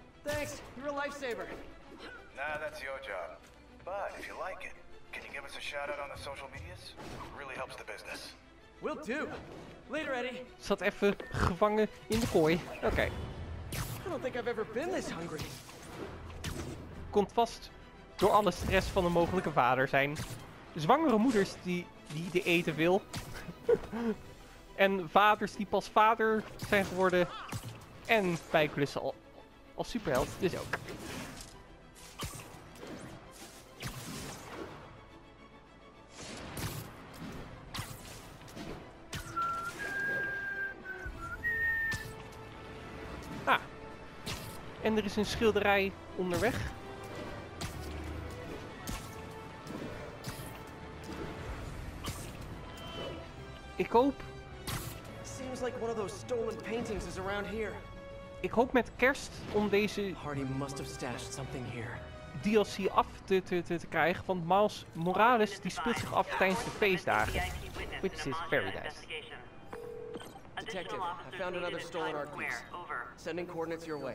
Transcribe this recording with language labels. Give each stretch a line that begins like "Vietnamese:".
English: Thanks, you're a lifesaver. Nah, that's your job. But if you like it, can you give us a shout out on the social medias? Really helps the business. Will do. Later, Eddie.
Dutch: Zat even gevangen in de kooi. Okay.
English: I don't think I've ever been this hungry.
Dutch: Komt vast door alle stress van een mogelijke vader zijn. Zwangere moeders die eten wil. En vaders die pas vader zijn geworden. En bijklussen als superheld, dus ook. Ah. En er is een schilderij onderweg. Ik hoop...
English: Like one of those stolen paintings is around here.
Dutch: Ik hoop met kerst om deze
English: Hardy must have stashed something here.
Dutch: DLC af te krijgen, want Miles Morales die speelt zich af tijdens de feestdagen.
English: Which is very nice. Detective, I found another stolen art piece. Sending coordinates your way.